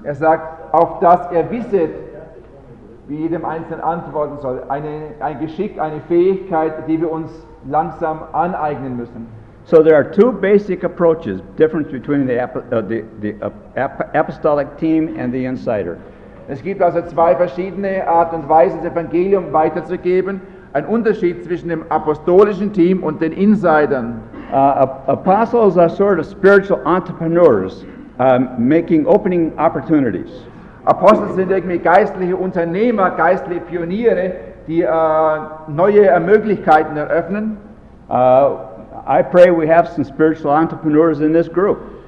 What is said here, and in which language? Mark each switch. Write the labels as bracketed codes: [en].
[de] Er sagt, auf das er wisset, wie jedem Einzelnen antworten soll. Ein Geschick, eine Fähigkeit, die wir uns langsam aneignen müssen. [en] So there are two basic approaches, difference between the apostolic team and the insider. [de] Es gibt also zwei verschiedene Art und Weisen, das Evangelium weiterzugeben. ein Unterschied zwischen dem apostolischen Team und den Insidern. [en] Apostles are sort of spiritual entrepreneurs, opening opportunities. [de] Apostles sind irgendwie geistliche Unternehmer, geistliche Pioniere, die neue Möglichkeiten eröffnen. [en] I pray we have some spiritual entrepreneurs in this group.